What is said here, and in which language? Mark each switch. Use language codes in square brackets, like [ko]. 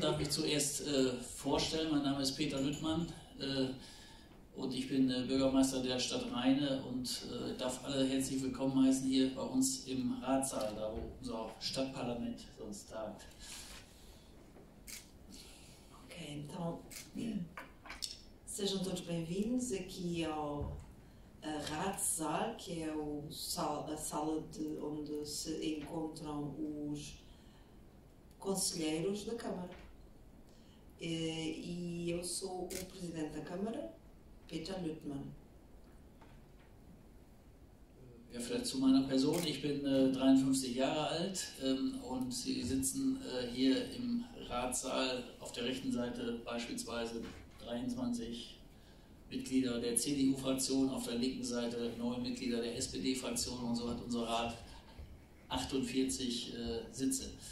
[de] Darf ich zuerst vorstellen, mein Name ist Peter Lüttmann und ich bin Bürgermeister der Stadt Rheine und darf alle herzlich willkommen heißen hier bei uns im Ratssaal, da wo unser Stadtparlament sonst tagt. [pt] Ok, então, sejam todos bem-vindos aqui ao Ratssaal, que é o sala de onde se encontram os conselheiros da Câmara. E eu sou o presidente da Câmara, Peter Lüttmann. [de] Ja, vielleicht zu meiner Person. Ich bin 53 Jahre alt und Sie sitzen hier im Ratssaal auf der rechten Seite beispielsweise 23 Mitglieder der CDU-Fraktion, auf der linken Seite 9 Mitglieder der SPD-Fraktion und so hat unser Rat 48 Sitze.